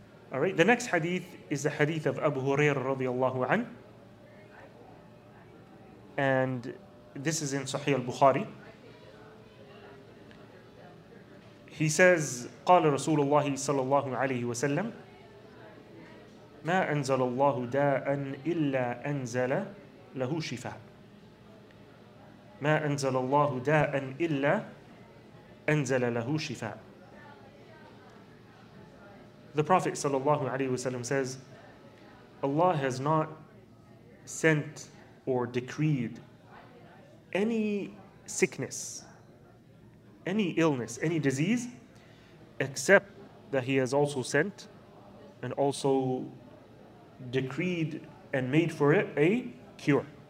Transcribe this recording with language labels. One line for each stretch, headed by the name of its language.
English: All right, the next hadith is the hadith of Abu Hurairah radiallahu an. And this is in Sahih al-Bukhari. He says,
Arabic: قال رسول الله صلى الله عليه وسلم ما أنزل الله داء إلا أنزل له شفاء. ما أنزل الله داء إلا أنزل له شفاء.
English: The Prophet
Arabic: صلى الله عليه وسلم
English: says, Allah has not sent or decreed any sickness, any illness, any disease, except that He has also sent and also decreed and made for it a cure.